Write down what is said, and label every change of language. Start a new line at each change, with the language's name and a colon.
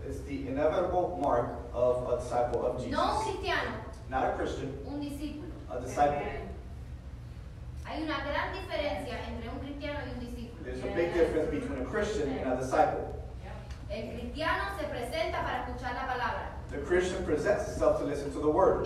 English: It's the inevitable mark of a disciple of Jesus.
Spanish: No un cristiano.
English: Not a Christian.
Spanish: Un discípulo.
English: A disciple. Okay.
Spanish: Hay una gran diferencia entre un cristiano y un discípulo.
English: There's a big difference between a Christian and a disciple. Yeah.
Spanish: El cristiano se presenta para escuchar la palabra.
English: The Christian presents himself to listen to the word.